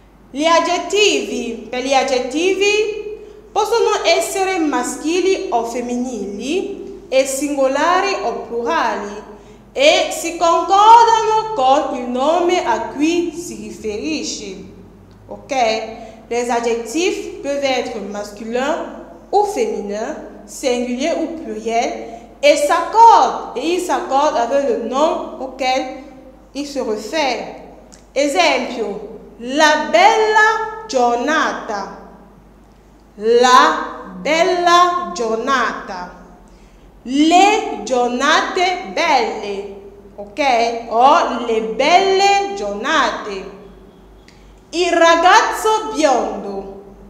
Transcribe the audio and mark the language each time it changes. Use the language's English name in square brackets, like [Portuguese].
[Italian] Gli aggettivi, per gli aggettivi, possono essere maschili o femminili, e singolari o plurali, e si concordano con il nome a cui si riferisce. Ok? [French] Les adjectifs peuvent être masculins ou féminins, singuliers ou pluriels, et s'accordent, et ils s'accordent avec le nom auquel ils se réfèrent. [Italian] Esempio, la bella giornata. La bella giornata. Le giornate belle, ok? O le belle giornate. Il ragazzo biondo.